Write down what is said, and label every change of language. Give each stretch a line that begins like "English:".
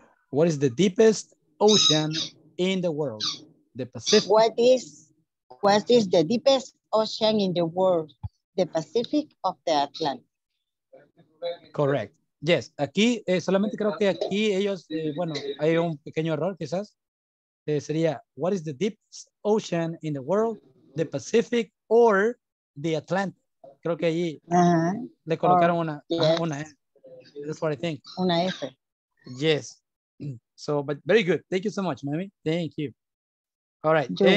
English: What is the deepest ocean in the world? The Pacific. What is the deepest ocean in the world? The Pacific of the Atlantic. Correct. Yes.
Spanish: Aquí, solamente creo que aquí ellos, bueno, hay un pequeño error quizás.
English: Sería, what is the deepest ocean in the world? The Pacific or the Atlantic?
Spanish: Creo que allí le colocaron una F.
English: That's what I think.
Spanish: Una F.
English: Yes. So, but very good. Thank you so much, Mami. Thank you. All right.